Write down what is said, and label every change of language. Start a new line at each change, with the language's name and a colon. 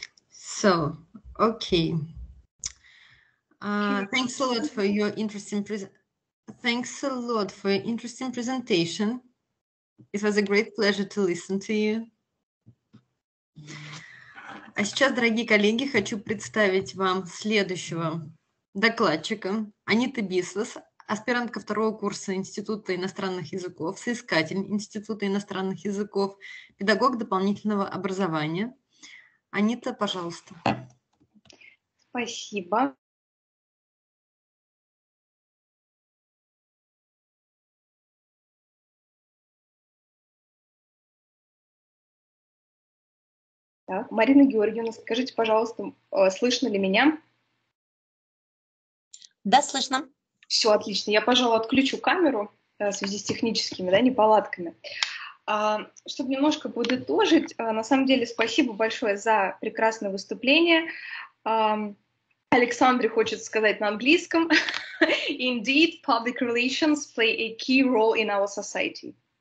English: So, okay. Thanks a lot for your interesting presentation. It was a great pleasure to listen to you.
Russian: А сейчас, дорогие коллеги, хочу представить вам следующего докладчика. Анита Бисвас, аспирантка второго курса Института иностранных языков, соискатель Института иностранных языков, педагог дополнительного образования. Анита, пожалуйста. Спасибо. Так, Марина Георгиевна, скажите, пожалуйста, слышно ли меня? Да, слышно. Все отлично. Я, пожалуй, отключу камеру в связи с техническими, да, неполадками. Чтобы немножко подытожить, на самом деле спасибо большое за прекрасное выступление. Александре хочет сказать на английском.
English: Indeed, public relations play a key role in our society.